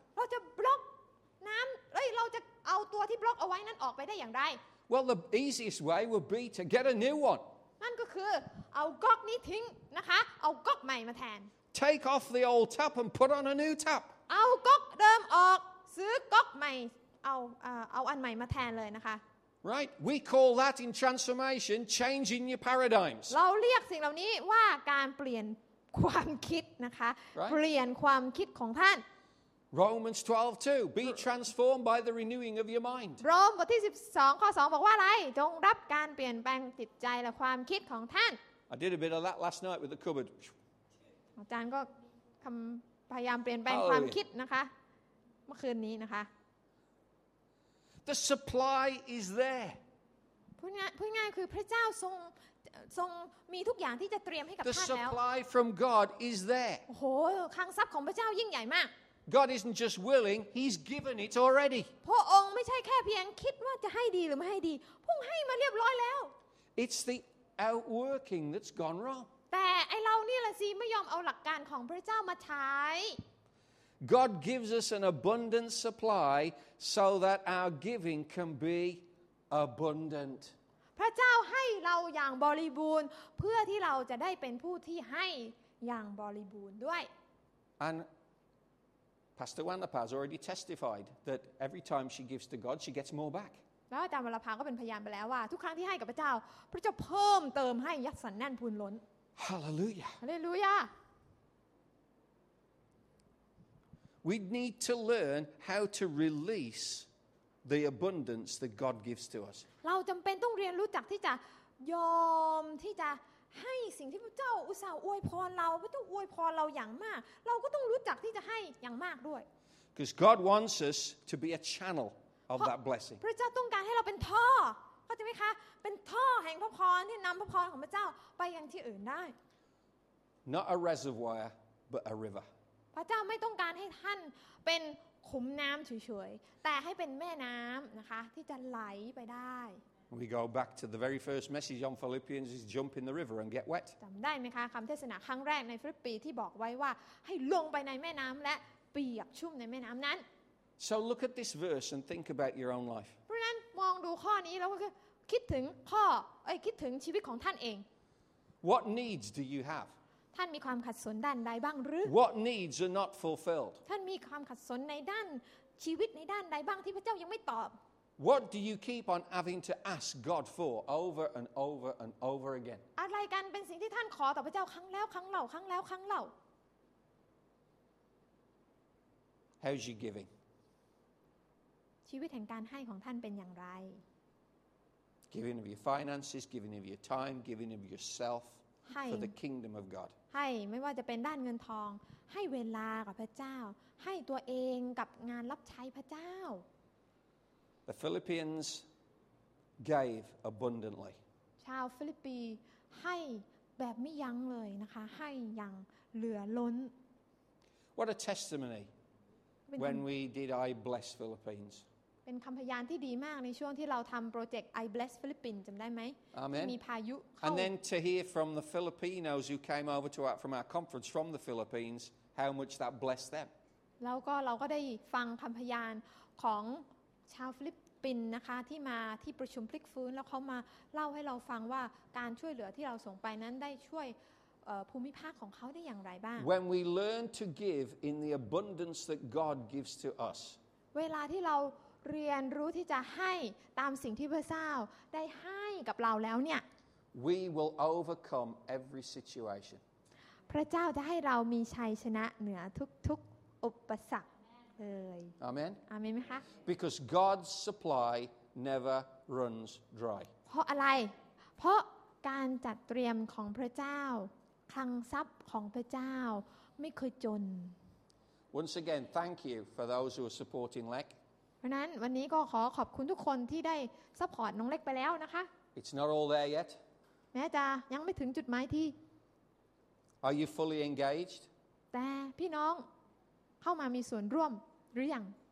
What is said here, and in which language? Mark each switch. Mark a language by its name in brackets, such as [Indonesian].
[Thai] เราจะบล็อกน้ำเฮ้ยเราจะเอาตัวที่บล็อกเอาไว้นั้นออกไปได้อย่างไร [English] Well, the easiest way would be to get a new one. [Thai] นั่นก็คือเอาก๊อกนี้ทิ้งนะคะเอาก๊อกใหม่มาแทน [English] Take off the old tap and put on a new tap [Thai] เอาก๊อกเดิมออกซื้อก๊อกใหม่เอาอันใหม่มาแทนเลยนะคะ [English] Right we call that in transformation changing your paradigms [Thai] เราเรียกสิ่งเหล่านี้ว่าการเปลี่ยนความคิดนะคะ [English] right? [Thai] เปลี่ยนความคิดของท่าน [English] Romans 12:2 Be transformed by the renewing of your mind. [Thai] โรมบทที่12ข้อ2บอกว่าอะไรจงรับการเปลี่ยนแปลงจิตใจและความคิดของท่าน [English] I did a bit of that last night with the cupboard. [Thai] อาจารย์ก็พยายามเปลี่ยนแปลงความคิดนะคะเมื่อคืนนี้นะคะ [English] The supply is there. [Thai] พูดง่ายคือพระเจ้าทรงมีทุกอย่างที่จะเตรียมให้กับท่านแล้ว [English] The supply from God is there. [Thai] โอ้โหคลังทรัพย์ของพระเจ้ายิ่งใหญ่มาก [English] God isn't just willing; He's given it already. [Thai] พระองค์ไม่ใช่แค่เพียงคิดว่าจะให้ดีหรือไม่ให้ดีพระองค์ให้มาเรียบร้อยแล้ว [English] It's the outworking that's gone wrong. [Thai] แต่ไอเรานี่แหละสิไม่ยอมเอาหลักการของพระเจ้ามาใช้ [English] God gives us an abundant supply so that our giving can be abundant. [Thai] พระเจ้าให้เราอย่างบริบูรณ์เพื่อที่เราจะได้เป็นผู้ที่ให้อย่างบริบูรณ์ด้วย [English] AndPastor Wanlapa has already testified that every time she gives to God, she gets more back. [Thai] แล้วอาจารย์วัลภาก็เป็นพยานไปแล้วว่าทุกครั้งที่ให้กับพระเจ้าพระเจ้าเพิ่มเติมให้ยัดสันแน่นพูนล้น [English] Hallelujah. Hallelujah. We need to learn how to release the abundance that God gives to us. [Thai] เราจำเป็นต้องเรียนรู้จักที่จะยอมที่จะให้สิ่งที่พระเจ้าอุตส่าห์อวยพรเราพระเจ้าอวยพรเราอย่างมากเราก็ต้องรู้จักที่จะให้อย่างมากด้วย [English] Because God wants us to be a channel of that blessing [Thai] พระเจ้าต้องการให้เราเป็นท่อเข้าใจมั้ยคะเป็นท่อแห่งพระพรที่นําพระพรของพระเจ้าไปยังที่อื่นได้ [English] Not a reservoir but a river [Thai] พระเจ้าไม่ต้องการให้ท่านเป็นขุมน้ําเฉยๆแต่ให้เป็นแม่น้ํานะคะที่จะไหลไปได้ [English] We go back to the very first message on Philippians is jump in the river and get wet. [Thai] จำได้ไหมคะคำเทศนาครั้งแรกในฟิลิปปีที่บอกไว้ว่าให้ลงไปในแม่น้ำและเปียกชุ่มในแม่น้ำนั้น [English] So look at this verse and think about your own life. [Thai] เพราะนั้นมองดูข้อนี้แล้วก็คิดถึงข้อคิดถึงชีวิตของท่านเอง [English] What needs do you have? [Thai] ท่านมีความขัดสนด้านใดบ้างหรือ [English] What needs are not fulfilled? [Thai] ท่านมีความขัดสนในด้านชีวิตในด้านใดบ้างที่พระเจ้ายังไม่ตอบ [English] What do you keep on having to ask God for over and over and over again? [Thai] อะไรกันเป็นสิ่งที่ท่านขอต่อพระเจ้าครั้งแล้วครั้งเล่าครั้งแล้วครั้งเล่า [English] How's your giving? [Thai] ชีวิตแห่งการให้ของท่านเป็นอย่างไร [English] Giving of your finances, giving of your time, giving of yourself for the kingdom of God. [Thai] ให้ไม่ว่าจะเป็นด้านเงินทองให้เวลากับพระเจ้าให้ตัวเองกับงานรับใช้พระเจ้า [English] The Philippians gave abundantly. [Thai] ชาวฟิลิปปีให้แบบไม่ยั้งเลยนะคะให้อย่างเหลือล้น [English] What a testimony when we did I Bless Philippines. [Thai] เป็นคำพยานที่ดีมากในช่วงที่เราทำโปรเจกต์ I Bless Philippines จำได้ไหม [English] Amen. [Thai] มีพายุ [English] And then to hear from the Filipinos who came over to from our conference from the Philippines how much that blessed them. [Thai] แล้วก็เราก็ได้ฟังคำพยานของชาวฟิลิปปินส์นะคะที่มาที่ประชุมพลิกฟื้นแล้วเขามาเล่าให้เราฟังว่าการช่วยเหลือที่เราส่งไปนั้นได้ช่วยภูมิภาคของเขาได้อย่างไรบ้าง [English] When we learn to give in the abundance that God gives to us [Thai] เวลาที่เราเรียนรู้ที่จะให้ตามสิ่งที่พระเจ้าได้ให้กับเราแล้วเนี่ย [English] We will overcome every situation [Thai] พระเจ้าจะให้เรามีชัยชนะเหนือทุกๆอุปสรรค [English] Amen. [Thai] Amen. ไหมคะ [English] Because God's supply never runs dry. [Thai] เพราะอะไรเพราะการจัดเตรียมของพระเจ้าคลังทรัพย์ของพระเจ้าไม่เคยจน [English] Once again, thank you for those who are supporting Lek. [Thai] เพราะนั้นวันนี้ก็ขอขอบคุณทุกคนที่ได้ซัพพอร์ตน้องเล็กไปแล้วนะคะ [English] It's not all there yet. [Thai] แม้จะยังไม่ถึงจุดหมายที่ [English] Are you fully engaged? [Thai] แต่พี่น้องเข้ามามีส่วนร่วมหรือยัง